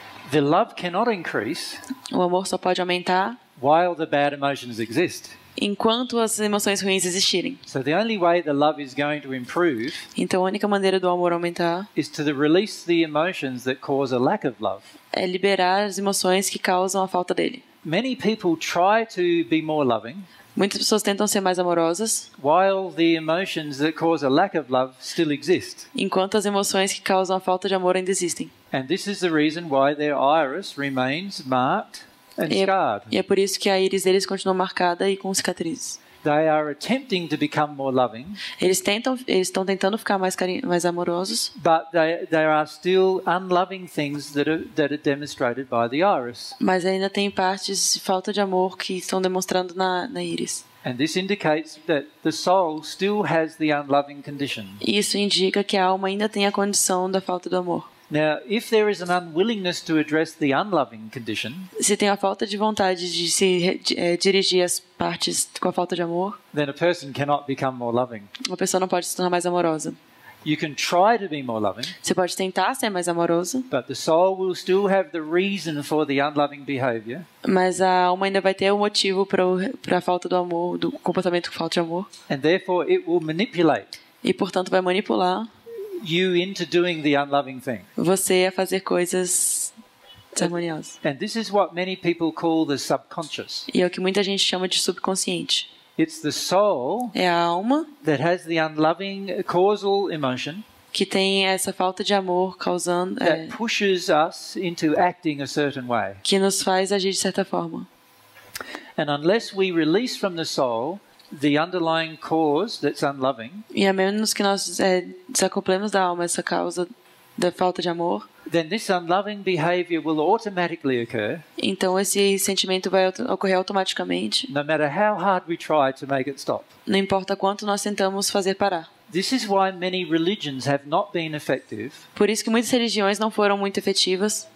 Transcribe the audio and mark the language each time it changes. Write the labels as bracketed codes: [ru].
[en] The love cannot increase. [pt] O amor só pode aumentar. [en] While the bad emotions exist. [pt] Enquanto as emoções ruins existirem. [en] So the only way the love is going to improve. [pt] Então a única maneira do amor aumentar. [en] Is to release the emotions that cause a lack of love. [pt] É liberar as emoções que causam a falta dele. [en] Many people try to be more loving. [pt] Muitas pessoas tentam ser mais amorosas. [en] While the emotions that cause a lack of love still exist. [pt] Enquanto as emoções que causam a falta de amor ainda existem. [en] And this is the reason why their iris remains marked and scarred. [pt] E é por isso que a íris deles continua marcada e com cicatrizes. [en] They are attempting to become more loving. [pt] Eles estão tentando ficar mais amorosos. [en] But there are still unloving things that are demonstrated by the iris. [pt] Mas ainda tem partes de falta de amor que estão demonstrando na íris. [en] And this indicates that the soul still has the unloving condition. [pt] Isso indica que a alma ainda tem a condição da falta do amor. [en] Now, if there is an unwillingness to address the unloving condition, [pt] se tem a falta de vontade de se dirigir às partes com a falta de amor, [en] then a person cannot become more loving. [pt] Uma pessoa não pode se tornar mais amorosa. [en] You can try to be more loving. [pt] Você pode tentar ser mais amoroso. [en] But the soul will still have the reason for the unloving behavior. [pt] Mas a alma ainda vai ter um motivo para a falta do amor, do comportamento com falta de amor. [en] And therefore, it will manipulate. [pt] E portanto vai manipular. [en] You into doing the unloving thing. [pt] Você a fazer coisas desarmoniosas. [en] And this is what many people call the subconscious. [pt] E é o que muita gente chama de subconsciente. [en] It's the soul. [pt] É a alma. [en] That has the unloving causal emotion. [pt] Que tem essa falta de amor causando. [en] That pushes us into acting a certain way. [pt] Que nos faz agir de certa forma. [en] And unless we release from the soul. the underlying cause that's unloving, [pt] e a menos que nós desacoplemos da alma essa causa da falta de amor, [en] then this unloving behavior will automatically occur. [pt] Então esse sentimento vai ocorrer automaticamente. [en] No matter how hard we try to make it stop. [pt] Não importa quanto nós tentamos fazer parar. [en] This is why many religions have not been effective. [pt] Por isso que muitas religiões não foram muito efetivas.